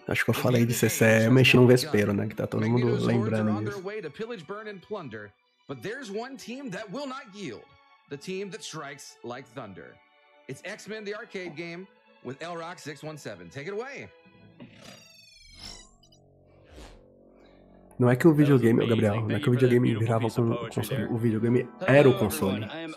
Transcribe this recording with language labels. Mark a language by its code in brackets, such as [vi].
[pt] acho que eu falei disso, esse é mexer num vespeiro, né? Que tá todo mundo lembrando isso. [en] Pillage, burn, and plunder, but there's one team that will not yield. The team that strikes like thunder. It's X-Men the arcade game with Elrock 617. Take it away. [pt] Não é que o videogame, o Gabriel, não é que o videogame virava com o console, o videogame era o console.